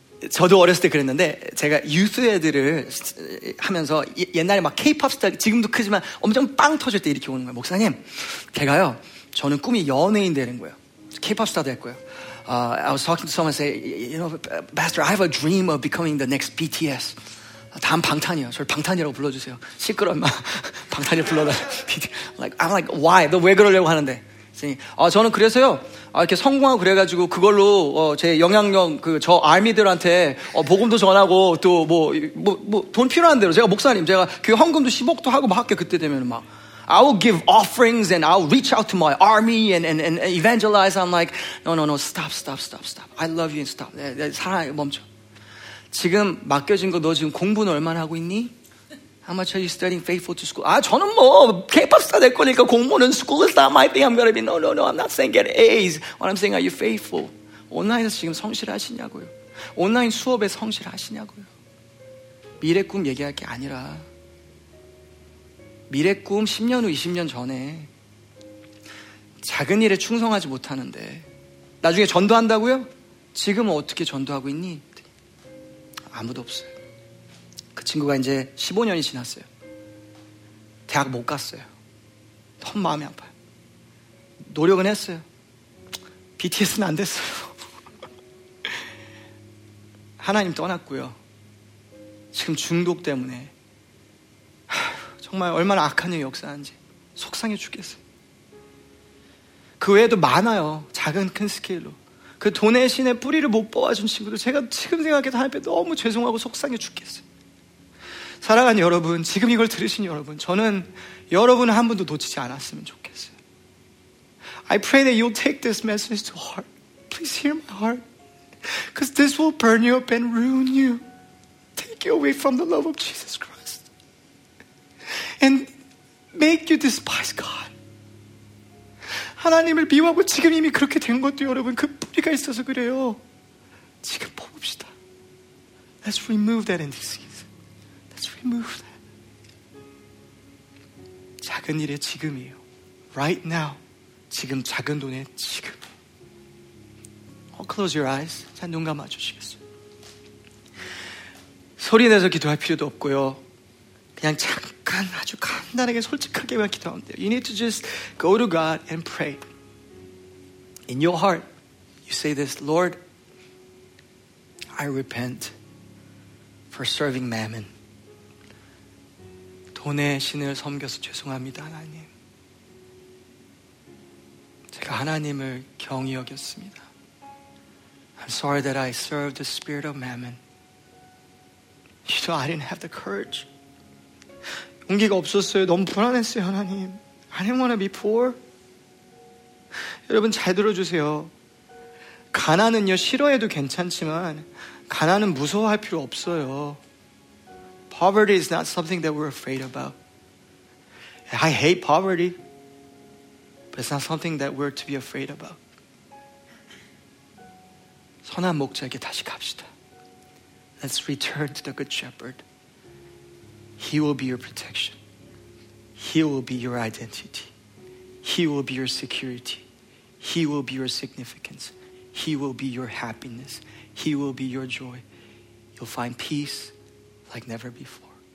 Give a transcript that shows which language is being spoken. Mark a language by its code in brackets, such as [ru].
[ko] 저도 어렸을 때 그랬는데 제가 유스 애들을 하면서 옛날에 막 케이팝 스타, 지금도 크지만 엄청 빵 터질 때 이렇게 오는 거예요. 목사님 제가요 저는 꿈이 연예인 되는 거예요. 케이팝 스타 될 거예요. [en] I was talking to someone and say, you know, Pastor, I have a dream of becoming the next BTS. [ko] 다음 방탄이요. 저를 방탄이라고 불러주세요. 시끄러워. 방탄이 불러라. [en] I'm like, why? [ko] 너 왜 그러려고 하는데? 저는 그래서요 이렇게 성공하고 그래가지고 그걸로 제 영향력, 그 저 아미들한테 복음도 전하고 또 뭐 돈 필요한 대로, 제가 목사님 제가 그 헌금도 10억도 하고 막 할게. 그때 되면 막 [en] I will give offerings and I will reach out to my army and evangelize. I'm like no stop. I love you and stop. [ko] 사랑해, 멈춰. 지금 맡겨진 거, 너 지금 공부는 얼마나 하고 있니? [en] How much are you studying faithful to school? [ko] 아, 저는 뭐 K-pop 스타 될 거니까 공부는, [en] school is not my thing. I'm gonna be, no, I'm not saying get A's. What I'm saying, are you faithful? [ko] 온라인에서 지금 성실하시냐고요. 온라인 수업에 성실하시냐고요. 미래 꿈 얘기할 게 아니라 미래 꿈 10년 후, 20년 전에 작은 일에 충성하지 못하는데 나중에 전도한다고요? 지금 어떻게 전도하고 있니? 아무도 없어요. 그 친구가 이제 15년이 지났어요. 대학 못 갔어요. 너무 마음이 아파요. 노력은 했어요. BTS는 안 됐어요. 하나님 떠났고요. 지금 중독 때문에 정말 얼마나 악한 일 역사하는지 속상해 죽겠어요. 그 외에도 많아요. 작은 큰 스케일로. 그 돈의 신의 뿌리를 못 뽑아준 친구들 제가 지금 생각해도 하나님께 너무 죄송하고 속상해 죽겠어요. 사랑하는 여러분, 지금 이걸 들으신 여러분, 저는 여러분 한 분도 놓치지 않았으면 좋겠어요. [en] I pray that you'll take this message to heart. Please hear my heart. Because this will burn you up and ruin you. Take you away from the love of Jesus Christ. And make you despise God. [ko] 하나님을 미워하고 지금 이미 그렇게 된 것도 여러분 그 뿌리가 있어서 그래요. 지금 뽑읍시다. [en] Let's remove that indecision. Remove that. [ko] 작은 일의 지금이에요. [en] Right now. [ko] 지금 작은 돈의 지금. [en] I'll close your eyes. [ko] 자, 눈 감아주시겠어요? 소리 내서 기도할 필요도 없고요. 그냥 잠깐 아주 간단하게 솔직하게만 기도하면 돼요. [en] You need to just go to God and pray. In your heart, you say this, Lord, I repent for serving mammon. [ko] 돈의 신을 섬겨서 죄송합니다, 하나님. 그 하나님을 경히 여겼습니다. [en] I'm sorry that I served the spirit of mammon. You know, I didn't have the courage. [ko] 용기가 없었어요. 너무 불안했어요, 하나님. [en] I didn't want to be poor. [ko] 여러분 잘 들어주세요. 가난은요, 싫어해도 괜찮지만 가난은 무서워할 필요 없어요. [en] Poverty is not something that we're afraid about. I hate poverty, but it's not something that we're to be afraid about. [ko] 선한 목자에게 다시 갑시다. [en] Let's return to the good shepherd. He will be your protection. He will be your identity. He will be your security. He will be your significance. He will be your happiness. He will be your joy. You'll find peace like never before.